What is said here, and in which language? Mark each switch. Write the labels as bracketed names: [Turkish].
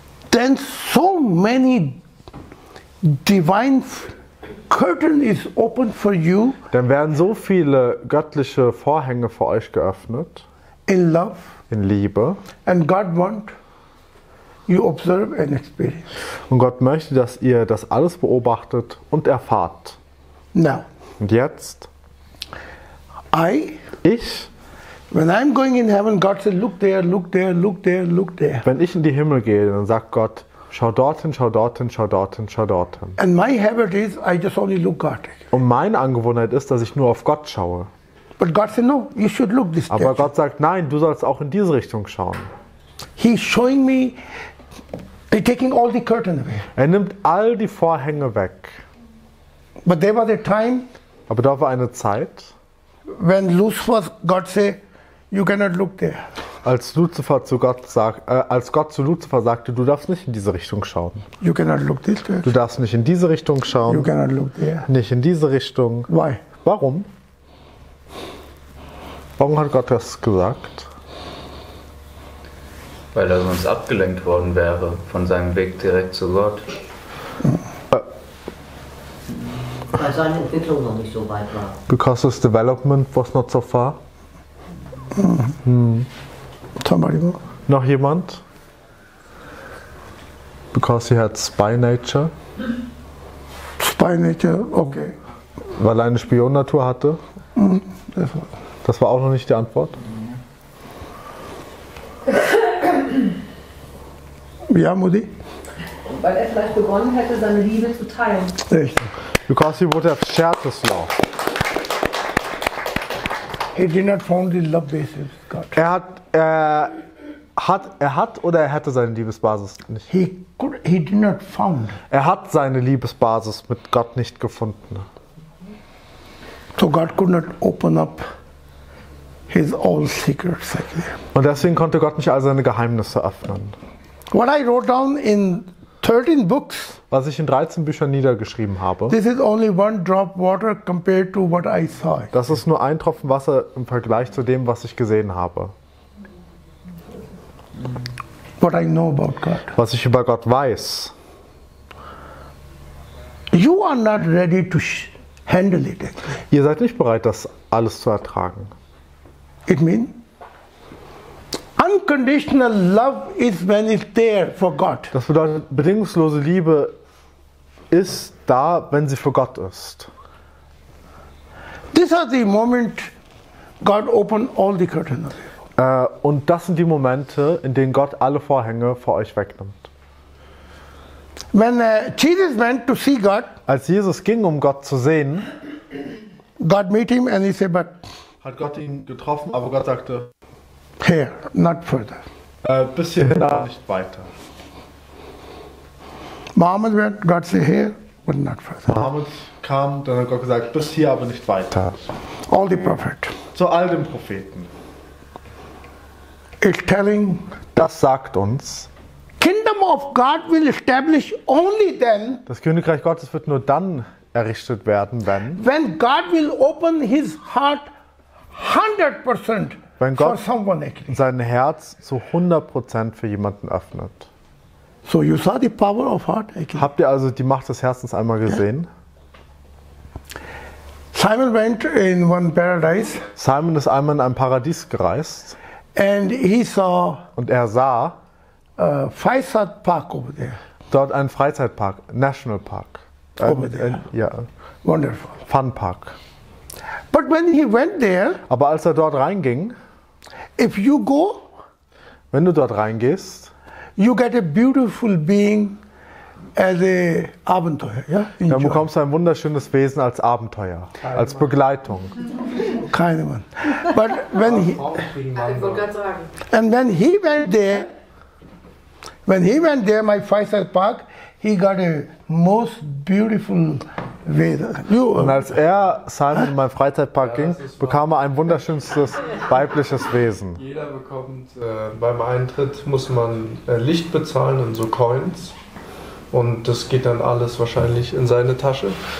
[English] Then so many divine curtain is open for you. [German] Dann werden so viele göttliche Vorhänge für euch geöffnet. [English] In love. [German] In Liebe. [English] And God want you observe and experience. [German] Und Gott möchte, dass ihr das alles beobachtet und erfahrt. [English] Now. [German] Und jetzt? [English] I. [German] Ich. [English] When I'm going in heaven, God said, look there, look there, look there, look there. [German] Wenn ich in die Himmel gehe, dann sagt Gott, Schau dorthin, schau dorthin, schau dorthin, schau dorthin. [English] And my habit is, I just only look at it. [German] Und meine Angewohnheit ist, dass ich nur auf Gott schaue. [English] But God said, no, you should look this direction. [German] Aber Gott sagt, nein, du sollst auch in diese Richtung schauen. [English] He's showing me, they're taking all the curtain away. [German] Er nimmt all die Vorhänge weg. [English] But there was a time. [German] Aber da war eine Zeit. [English] When Lucifer, God said, you cannot look there. [German] Als Lucifer zu Gott als Gott zu Lucifer sagte, du darfst nicht in diese Richtung schauen. [English] You cannot look this direction. [German] Du darfst nicht in diese Richtung schauen. [English] You cannot look there. [German] Nicht in diese Richtung. [English] Why? [German] Warum? Warum hat Gott das gesagt? Weil er sonst abgelenkt worden wäre von seinem Weg direkt zu Gott. Weil seine Entwicklung noch nicht so weit war. [English] Because his development was not so far. Somebody go. [German] Noch jemand? [English] Because he had spy nature. Spy nature, okay. [German] Weil er eine Spionnatur hatte. Das war auch noch nicht die Antwort. Ja, Mutti? Weil er vielleicht begonnen hätte, seine Liebe zu teilen. Richtig. [English] Because he would have shared his love. He did not found the love basis, God. [German] Er hätte seine Liebesbasis nicht. [English] He did not found. [German] Er hat seine Liebesbasis mit Gott nicht gefunden. [English] So God could not open up his all secrets. [German] Und deswegen konnte Gott nicht all seine Geheimnisse öffnen. [English] What I wrote down in 13 books. [German] Was ich in 13 Büchern niedergeschrieben habe. [English] This is only one drop water compared to what I saw. [German] Das ist nur ein Tropfen Wasser im Vergleich zu dem, was ich gesehen habe. [English] What I know about God. [German] Was ich über Gott weiß. [English] You are not ready to handle it. [German] Ihr seid nicht bereit, das alles zu ertragen. [English] It means unconditional love is when it's there for God. [German] Das bedeutet, bedingungslose Liebe ist da, wenn sie für Gott ist. [English] This is the moment God opened all the curtains. [German] Und das sind die Momente, in denen Gott alle Vorhänge vor euch wegnimmt. [English] When Jesus went to see God, [German] als Jesus ging, um Gott zu sehen, [English] God met him and he said, but [German] hat Gott ihn getroffen, aber Gott sagte, [English] here, not further. [German] Bis hierhin, aber nicht weiter. [English] Mohammed went, God said, here, but not further. [German] Mohammed kam, dann hat Gott gesagt, bis hier, aber nicht weiter. [English] All the prophets. [German] Zu all den Propheten. [English] Is telling, [German] das sagt uns, [English] Kingdom of God will establish only then, [German] das Königreich Gottes wird nur dann errichtet werden, wenn, [English] when God will open his heart 100%. [German] Wenn Gott sein Herz zu 100% für jemanden öffnet. [English] So you saw the power of heart. [German] Habt ihr also die Macht des Herzens einmal gesehen? [English] Simon went in one paradise. [German] Simon ist einmal in ein Paradies gereist. [English] And he saw, [German] und er sah, [English] Freizeitpark over there. [German] Dort einen Freizeitpark, Nationalpark. [English] Over there. [German] Ja. [English] Wonderful. Fun Park. But when he went there, [German] aber als er dort reinging, [English] if you go, [German] wenn du dort reingehst, [English] you get a beautiful being as a Abenteuer, ja? Yeah? [German] Dann bekommst du ein wunderschönes Wesen als Abenteuer, als Begleitung. Keine Mann. [English] But when he, and when he went there, my Faisal Park, he got a most beautiful. [German] Und als er, Simon, in meinen Freizeitpark ging, bekam er ein wunderschönstes weibliches Wesen. Jeder bekommt, beim Eintritt muss man Licht bezahlen in so Coins. Und das geht dann alles wahrscheinlich in seine Tasche.